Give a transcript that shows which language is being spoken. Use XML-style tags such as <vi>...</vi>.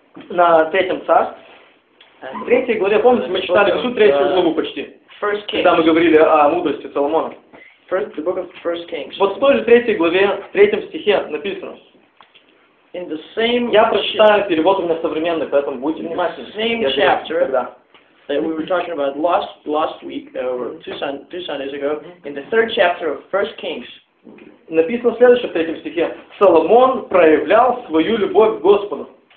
<ru>На третьем царстве. Третья глава, помните, мы читали всю третью главу почти. Когда мы говорили о мудрости Соломона.</ru> <en>The book of First Kings.</en> <ru>Вот в той же третьей главе, в третьем стихе написано.</ru> <en>In the same</en> <ru>я прочитаю перевод у меня современный, поэтому будьте внимательны.</ru> <en>Same chapter that we were talking about last week, or two Sundays ago, in the third chapter of First Kings.</en> <ru>Написано следующее в третьем стихе. Соломон проявлял свою любовь к Господу.</ru>